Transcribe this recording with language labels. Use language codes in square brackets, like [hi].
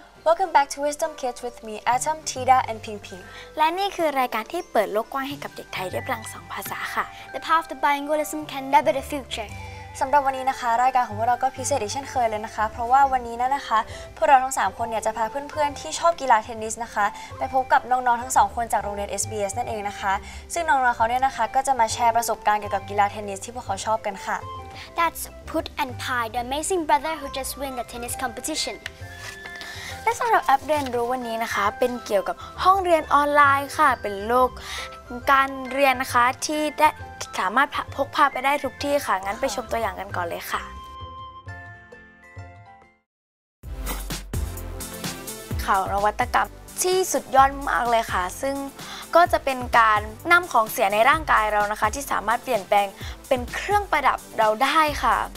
[en] Welcome back to Wisdom Kids with me Atom, Tida and Ping Ping [th] และนี่คือรายการที่เปิดโลกกว้างให้กับเด็กไทยได้พลังสองภาษาค่ะ [en] The power of the bilingualism can double the future [th] สำหรับวันนี้นะคะรายการของเราก็พิเศษอีกเช่นเคยเลยนะคะเพราะว่าวันนี้นะคะพวกเราทั้ง3คนเนี่ยจะพาเพื่อนๆที่ชอบกีฬาเทนนิสนะคะไปพบกับน้องๆทั้ง2คนจากโรงเรียน SBS นั่นเองนะคะซึ่งน้องๆเขาเนี่ยนะคะก็จะมาแชร์ประสบการณ์เกี่ยวกับกีฬาเทนนิสที่พวกเขาชอบกันค่ะ [en] That's Put and Pai, the amazing brother who just win the tennis competition. [th] และสำหรับแอปเรียนรู้วันนี้นะคะเป็นเกี่ยวกับห้องเรียนออนไลน์ค่ะเป็นโลกการเรียนนะคะที่ได้สามารถพกพาไปได้ทุกที่ค่ะงั้นไปชมตัวอย่างกันก่อนเลยค่ะข่าวนวัตกรรมที่สุดยอดมากเลยค่ะซึ่งก็จะเป็นการนำของเสียในร่างกายเรานะคะที่สามารถเปลี่ยนแปลงเป็นเครื่องประดับเราได้ค่ะ